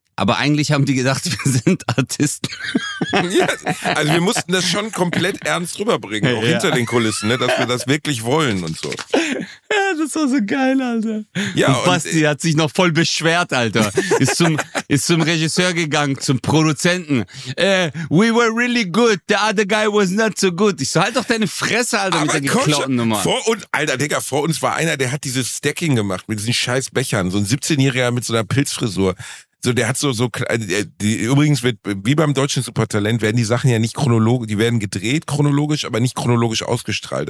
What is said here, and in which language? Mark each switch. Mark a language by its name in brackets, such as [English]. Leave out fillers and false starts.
[German] Aber eigentlich haben die gedacht, wir sind Artisten. Ja, also wir mussten das schon komplett ernst rüberbringen, auch hinter den Kulissen, ne, dass wir das wirklich wollen und so. Ja, das war so geil, Alter. Ja, und Basti hat sich noch voll beschwert, Alter. Ist zum Regisseur gegangen, zum Produzenten. [English] We were really good, the other guy was not so good. [German] Ich so, halt doch deine Fresse, Alter, aber mit der geklauten Nummer. Vor uns war einer, der hat dieses Stacking gemacht mit diesen scheiß Bechern. So ein 17-Jähriger mit so einer Pilzfrisur. So, der hat so die, übrigens wird, wie beim deutschen Supertalent, werden die Sachen ja nicht chronologisch, die werden gedreht chronologisch, aber nicht chronologisch ausgestrahlt.